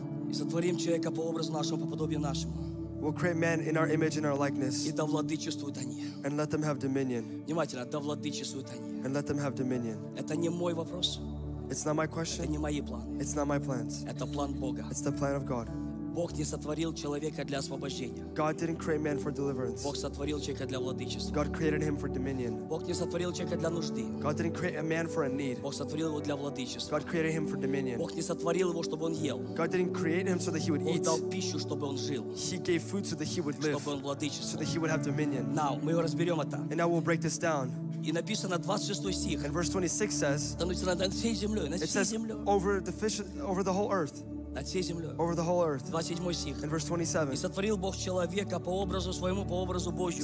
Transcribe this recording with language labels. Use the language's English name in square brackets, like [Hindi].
[Russian] И сотворим человека по образу нашему, по подобию нашему. [English] We'll create man in our image and our likeness. [Russian] И да владычествуют они. [English] And let them have dominion. [Russian] Внимательно, да владычествуют они. [English] And let them have dominion. [Russian] Это не мой вопрос. [English] It's not my question. [Russian] Это не мои планы. [English] It's not my plans. [Russian] Это план Бога. [English] It's the plan of God. [Russian] Бог не сотворил человека для освобождения. [English] God didn't create man for deliverance. [Russian] Бог сотворил человека для владычества. [English] God created him for dominion. [Russian] Бог не сотворил человека для нужды. [English] God didn't create a man for a need. [Russian] Бог сотворил его для владычества. [English] God created him for dominion. [Russian] Бог не сотворил его, чтобы он ел. [English] God didn't create him so that he would eat. [Russian] Он дал пищу, чтобы он жил. [English] He gave food so that he would live. [Russian] Чтобы он владычествовал. [English] So that he would have dominion. [Russian] Now, мы его разберем это. [English] And now we'll break this down. [Russian] И написано 26 стих. [English] And verse 26 says. [Russian] Становится над всей землей. [English] It says over the whole earth. Over the whole earth. [Russian] 27 стих. [English] In verse 27. [Russian] И сотворил Бог человека по образу своему, по образу Божию.